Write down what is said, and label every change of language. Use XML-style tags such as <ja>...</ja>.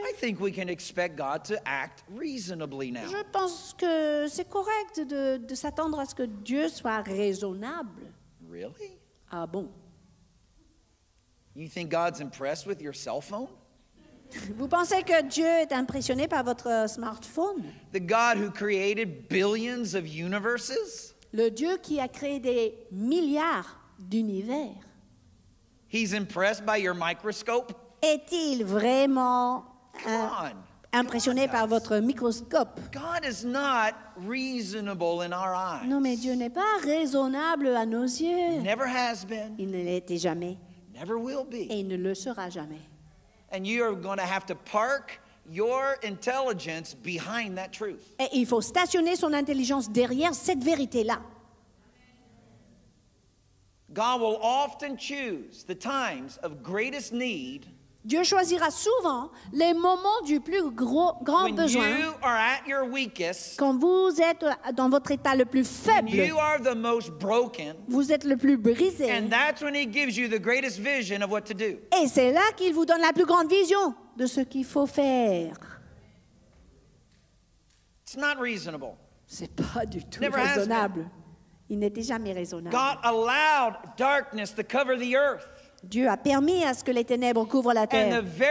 <en>I think we can expect God to act reasonably now.</en> <fr>Je pense que c'est correct de s'attendre à ce que Dieu soit raisonnable.</fr> <en>Really?</en> <fr>Ah bon.</fr> <en>You think God's impressed with your cell phone?</en> <fr>Vous pensez que Dieu est impressionné par votre smartphone?</fr> <en>The God who created billions of universes?</en> <fr>Le Dieu qui a créé des milliards d'univers.</fr> <en>He's impressed by your microscope?</en> <fr>Est-il vraiment impressionné</fr> <en>Come on,</en> <fr>par votre microscope?</fr> <en>God is not reasonable in our eyes.</en> <fr>Non, mais Dieu n'est pas raisonnable à nos yeux.</fr> <en>Never has been.</en> <fr>Il ne l'était jamais.</fr> <en>Never will be.</en> <fr>Et il ne le sera jamais.</fr> <en>And you are going to have to park your intelligence behind that truth.</en> <fr>Et il faut stationner son intelligence derrière cette vérité-là.</fr> <en>God will often choose the times of greatest need.</en> <fr>Dieu choisira souvent les moments du plus grand besoin.</fr> <en>When you are at your weakest,</en> <fr>quand vous êtes dans votre état le plus faible,</fr> <en>you are the most broken,</en> <fr>vous êtes le plus brisé.</fr> <en>And that's when he gives you the greatest vision of what to do.</en> <fr>Et c'est là qu'il vous donne la plus grande vision de ce qu'il faut faire.</fr> <en>It's not reasonable.</en> <fr>C'est pas du tout</fr> <en>Never</en> <fr>raisonnable. Il n'était jamais raisonnable.</fr> <en>God allowed darkness to cover the earth.</en> <fr>Dieu a permis à ce que les ténèbres couvrent la terre.</fr>